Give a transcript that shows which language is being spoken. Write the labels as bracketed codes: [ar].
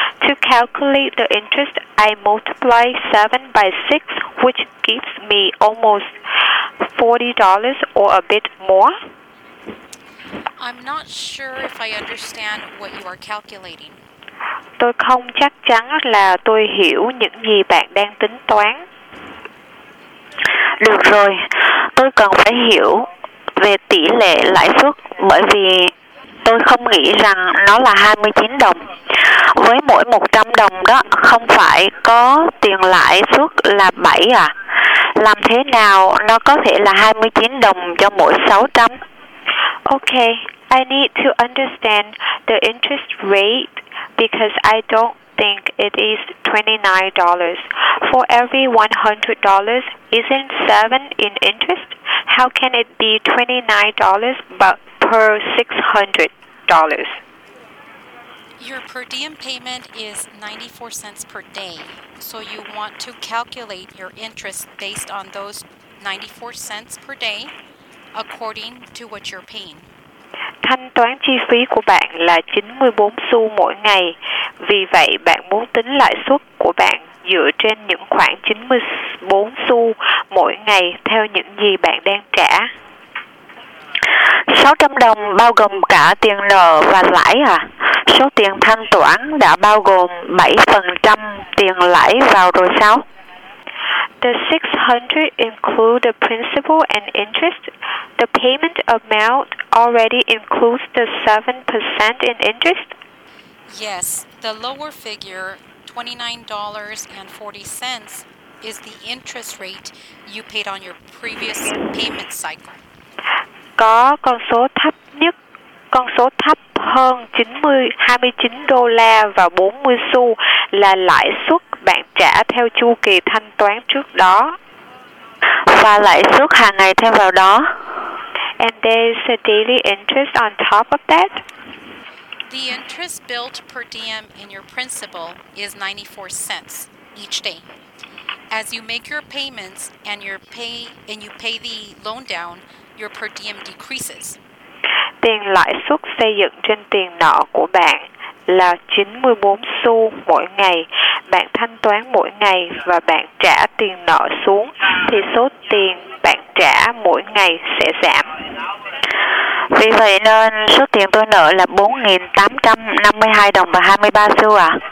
[en] To calculate the interest, I multiply 7 by 6, which gives me almost $40 or a bit more. I'm not sure if I understand what you are calculating. [vi] Tôi không chắc chắn là tôi hiểu những gì bạn đang tính toán. Được rồi. tôi cần phải hiểu về tỷ lệ lãi suất, bởi vì tôi không nghĩ rằng nó là 29 đồng. Với mỗi 100 đồng đó, không phải có tiền lãi suất là 7 à? Làm thế nào nó có thể là 29 đồng cho mỗi 600? [en] Okay, I need to understand the interest rate because I don't think it is $29. For every $100, isn't 7 in interest? How can it be $29 but per $600? Your per diem payment is 94 cents per day, so you want to calculate your interest based on those 94 cents per day according to what you're paying. [vi] Thanh toán chi phí của bạn là 94 xu mỗi ngày, vì vậy bạn muốn tính lãi suất của bạn dựa trên những khoảng 94 xu mỗi ngày theo những gì bạn đang trả. 600 đồng bao gồm cả tiền nợ và lãi à? Số tiền thanh toán đã bao gồm 7% tiền lãi vào rồi sao? [en] The 600 include the principal and interest. The payment amount already includes the 7% in interest? Yes, the lower figure, $29.40, is the interest rate you paid on your previous payment cycle. [vi] Có con số thấp nhất, con số thấp hơn 29 đô la và 40 xu là lãi suất bạn trả theo chu kỳ thanh toán trước đó. Và lãi suất hàng ngày thêm vào đó. [en] And there's a daily interest on top of that. The interest billed per diem in your principal is 94 cents each day. As you make your payments and you pay the loan down, your per diem decreases. [vi] Tiền lãi suất xây dựng trên tiền nợ của bạn là 94 xu mỗi ngày. Bạn thanh toán mỗi ngày và bạn trả tiền nợ xuống thì số tiền bạn trả mỗi ngày sẽ giảm. Vì vậy nên số tiền tôi nợ là 4.852 đồng và 23 xu à?